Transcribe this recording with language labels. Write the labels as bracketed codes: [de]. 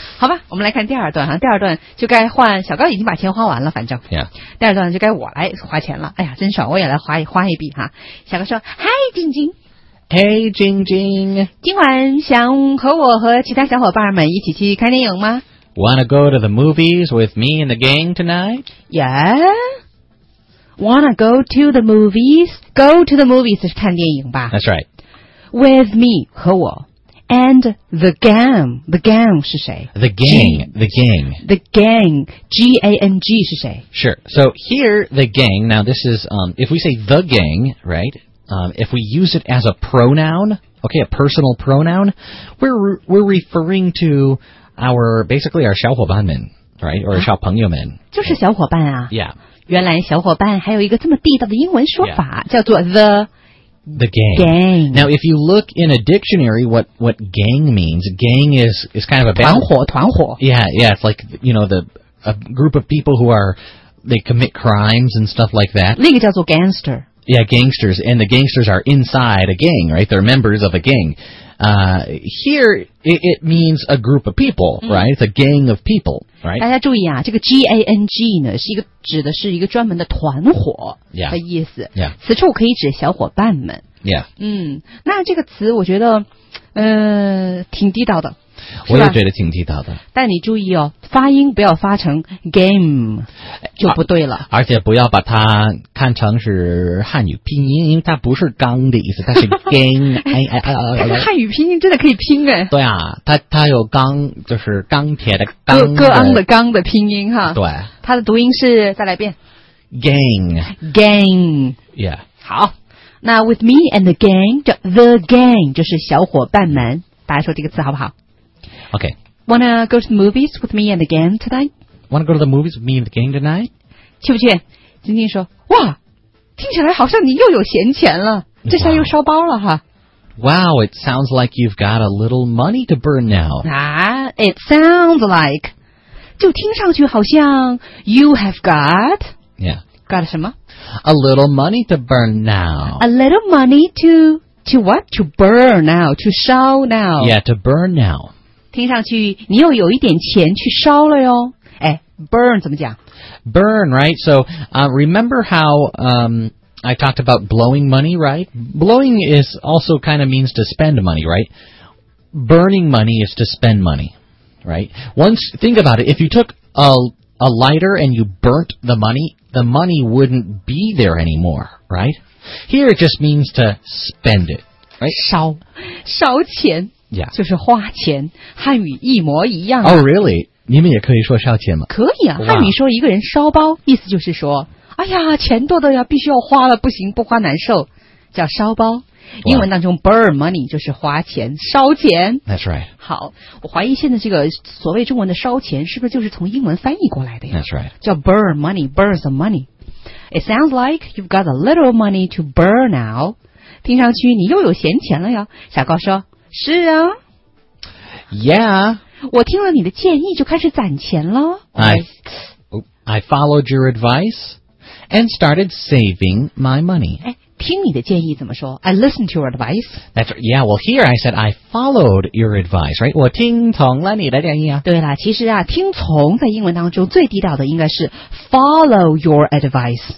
[zh] 好吧，我们来看第二段哈。第二段就该换小高已经把钱花完了，反正。 [en] Yeah. [zh] 第二段就该我来花钱了。哎呀，真爽，我也来花一笔哈。小高说：“嗨，晶晶。” [en] Hey, 晶晶， [zh] 今晚想和我和其他小伙伴们一起去看电影吗？ [en] Wanna go to the movies with me and the gang tonight? Yeah. Wanna go to the movies? Go to the movies [zh] 是看电影吧？ [en] That's right. With me, [zh] 和我。 [en] And the gang, the gang [zh] 是谁？ [en] The gang, the gang. The gang, G-A-N-G [zh] 是谁？ [en] Sure. So here, the gang, now this is, if we say the gang, right? If we use it as a pronoun, okay, a personal pronoun, we're referring to our, basically our 小伙伴们, right? Or 小朋友们. [zh] 就是小伙伴啊. [en] Yeah. [zh] 原来小伙伴还有一个这么地道的英文说法, 叫做 the [en] gang. Gang. Now, if you look in a dictionary, what gang means, gang is kind of a [zh] band. 团伙,团伙. [en] Yeah, yeah, it's like, you know, a group of people who are, they commit crimes and stuff like that. [zh] 那个叫做 gangster. [en] Yeah, gangsters, and the gangsters are inside a gang, right? They're members of a gang. Here, it means a group of people, right? It's a gang of people, right? [zh] 大家注意啊，这个 G-A-N-G 呢，是一个指的是一个专门的团伙的意思。 [en] Yeah. Yeah. [zh] 此处可以指小伙伴们。 [en] Yeah. [zh] 嗯，那这个词我觉得，挺地道的。我也觉得挺地道的，但你注意哦，发音不要发成 game 就不对了，而且不要把它看成是汉语拼音，因为它不是钢的意思，它是 gang 、哎哎哎哎、汉语拼音真的可以拼哎，对啊，它有钢，就是钢铁的钢，各昂的钢的拼音哈，对，它的读音是，再来一遍 [en] gang yeah [zh] 好，那 [en] with me and the gang [zh] 叫 the gang 就是小伙伴们，大家说这个词好不好？ [en] Okay. Wanna go to the movies with me and the gang tonight? Wanna go to the movies with me and the gang tonight? [zh] 去不去？晶晶说：“哇，听起来好像你又有闲钱了，这下又烧包了哈。” [en] Wow, it sounds like you've got a little money to burn now. It sounds like. [zh] 就听上去好像 [en] you have got. Yeah. [zh] Got 什么？ [en] A little money to burn now. A little money to what? To burn now, to 烧 now. Yeah, to burn now. [zh] 听上去你又有一点钱去烧了哟。哎 ,burn 怎么讲 [en] ?burn, right? So, remember how, I talked about blowing money, right? Blowing is also kind of means to spend money, right? Burning money is to spend money, right? Once, think about it, if you took a lighter and you burnt the money wouldn't be there anymore, right? Here it just means to spend it, right? [zh] 烧,烧钱。 [en] Yeah. [zh] 就是花钱，汉语一模一样、啊。 [en] Oh, really? [zh] 你们也可以说烧钱吗？可以啊。 Wow. 汉语说一个人烧包，意思就是说，哎呀，钱多的呀，必须要花了，不行，不花难受，叫烧包。 [en] Wow. [zh] 英文当中 burn money 就是花钱，烧钱。 [en] That's right. [zh] 好，我怀疑现在这个所谓中文的烧钱，是不是就是从英文翻译过来的呀 [en] ？That's right. 叫 burn money, burn some money. It sounds like you've got a little money to burn now. [zh] 听上去你又有闲钱了呀，小高说。是啊 [en] ，Yeah， [zh] 我听了你的建议就开始攒钱了。 [en] I followed your advice and started saving my money. [zh] 哎，听你的建议怎么说 ？ [en] I listened to your advice. That's yeah. Well, here I said I followed your advice, right? [zh] 我听从了你的建议啊。对了，其实啊，听从在英文当中最地道的应该是 [en] follow your advice.